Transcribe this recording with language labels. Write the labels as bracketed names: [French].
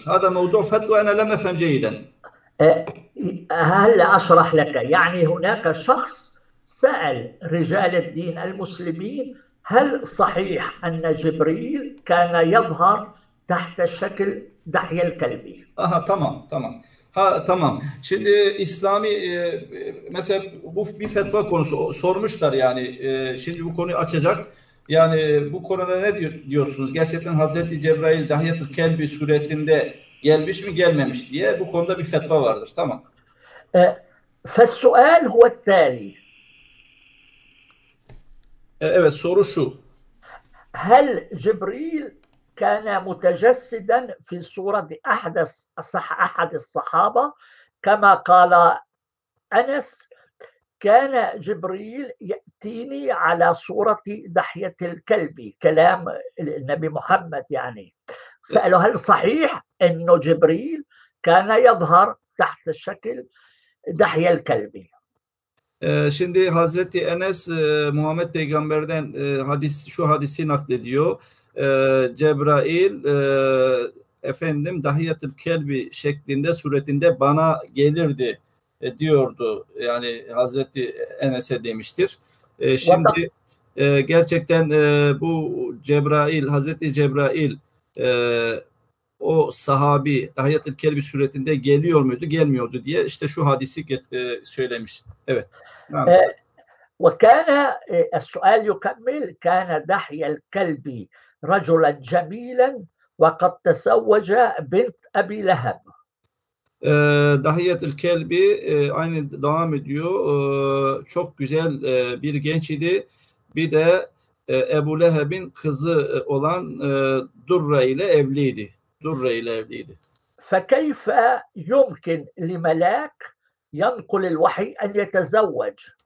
[Turkish] Hadi [Arabic] موضوع فتوى أنا لم أفهم جيدا. هل أشرح لك؟ يعني هناك شخص سأل رجال الدين المسلمين هل صحيح أن جبريل كان يظهر تحت شكل دحية الكلبي؟ [Turkish] Aha tamam. Ha tamam. Şimdi İslami mesela bu bir fetva konusu sormuşlar yani şimdi bu konuyu açacak. Yani bu konuda ne diyorsunuz? Gerçekten Hazreti Cebrail Dahiyetül Kelbi suretinde gelmiş mi gelmemiş diye bu konuda bir fetva vardır. Tamam. [Arabic] فالسؤال هو التالي: [Turkish] Evet soru şu. [Arabic] هل جبريل كان متجسدا في صورة أحد الصحابة؟ كما قال أنس كان جبريل يأتيني على صورة دحية الكلب، كلام النبي محمد يعني. سأله هل صحيح أن جبريل كان يظهر تحت شكل دحية الكلبي؟ [Turkish] Şimdi Hazreti Enes Muhammed Peygamber'den şu hadisi naklediyor. Cebrail efendim Dahiyatül Kelbi şeklinde suretinde bana gelirdi diyordu. Yani Hazreti Enes'e demiştir. Şimdi gerçekten bu Cebrail, Hazreti Cebrail o sahabi Dahiyatül Kelbi suretinde geliyor muydu, gelmiyordu diye işte şu hadisi söylemiş. Evet. [Arabic] نعم صح. وكان السؤال يكمل: كان دحية الكلب رجلا جميلا وقد تزوج بنت أبي لهب. [Turkish] Dahiyet el kelbi aynı devam ediyor. Çok güzel bir genç idi. Bir de Ebu Leheb'in kızı olan Durra ile evliydi. Durra ile evliydi. [Arabic] فكيف يمكن لملاك ينقل الوحي أن يتزوج؟